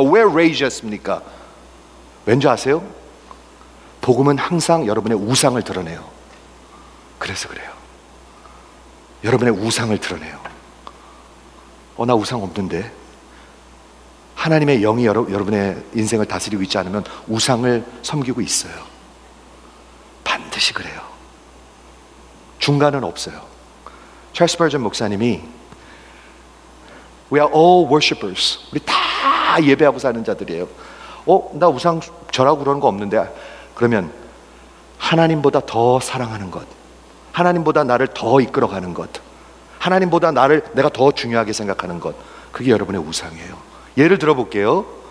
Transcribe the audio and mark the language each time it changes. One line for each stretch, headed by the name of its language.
Korean: 왜 rage 했습니까? 왠지 아세요? 복음은 항상 여러분의 우상을 드러내요. 그래서 그래요. 여러분의 우상을 드러내요. 나 우상 없는데. 하나님의 영이 여러분의 인생을 다스리고 있지 않으면 우상을 섬기고 있어요. 반드시 그래요. 중간은 없어요. 찰스 스펄전 목사님이
English: We are all worshippers.
Korean: 우리 다 예배하고 사는 자들이에요. 나 우상 절하고 그러는 거 없는데. 그러면 하나님보다 더 사랑하는 것, 하나님보다 나를 더 이끌어가는 것, 하나님보다 나를 내가 더 중요하게 생각하는 것, 그게 여러분의 우상이에요. 예를 들어볼게요.